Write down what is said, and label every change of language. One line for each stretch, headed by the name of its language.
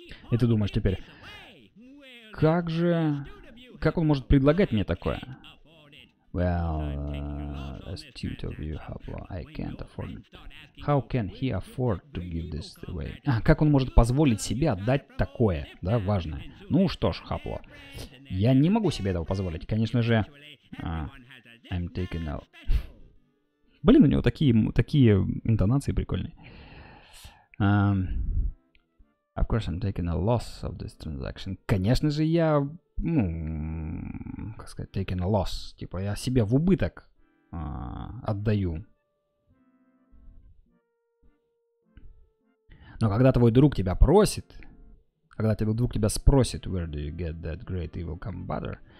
Russian: И ты думаешь теперь, как он может предлагать мне такое?
English: Well, astute of you, Hoplo, I can't afford it. How can he afford to give this away?
Russian: А, как он может позволить себе отдать такое, да, важное? Ну что ж, Хапло, я не могу себе этого позволить. Конечно же,
English: I'm taking out.
Russian: Блин, у него такие интонации прикольные.
English: Of course, I'm taking a loss of this transaction.
Russian: Конечно же, я, ну, как сказать,
English: taking a loss.
Russian: Типа, я себе в убыток отдаю. Но когда твой друг тебя просит... Когда тебе вдруг тебя спросит,
English: where do you get that great evil combatter?